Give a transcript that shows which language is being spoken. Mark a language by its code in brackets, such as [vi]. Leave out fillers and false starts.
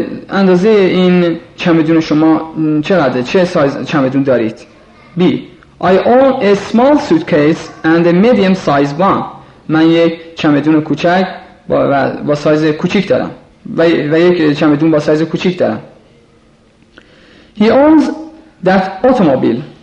[fa] اندازه این چمدون شما چقدره؟ چه سایز چمدون دارید؟ B. [en] I own a small suitcase and a medium size one. [fa] من یک چمدون کوچک با سایز کوچیک دارم و یک چمدون با سایز کوچیک دارم. [en] He owns that automobile.